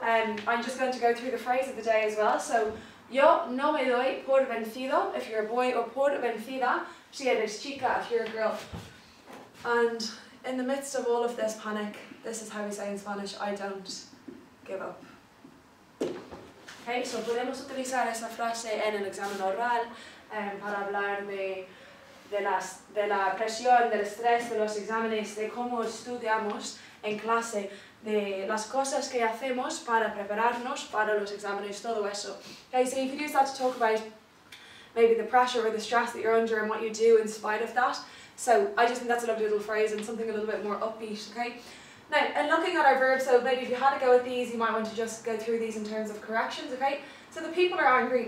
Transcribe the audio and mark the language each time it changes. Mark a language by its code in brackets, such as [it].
[en] I'm just going to go through the phrase of the day as well. So [es] yo no me doy por vencido [en] if you're a boy, or [es] por vencida si eres chica [en] if you're a girl. And in the midst of all of this panic, this is how we say in Spanish, I don't give up. Okay, so [es] podemos utilizar esa frase en el examen oral para hablar de la presión, del estrés, de los exámenes, de cómo estudiamos en clase, de las cosas que hacemos para prepararnos para los exámenes, todo eso. [en] Okay, so you could use that to talk about maybe the pressure or the stress that you're under and what you do in spite of that. So I just think that's a lovely little phrase and something a little bit more upbeat, okay? Now, and looking at our verbs, so maybe if you had a go at these, you might want to just go through these in terms of corrections, okay? So the people are angry.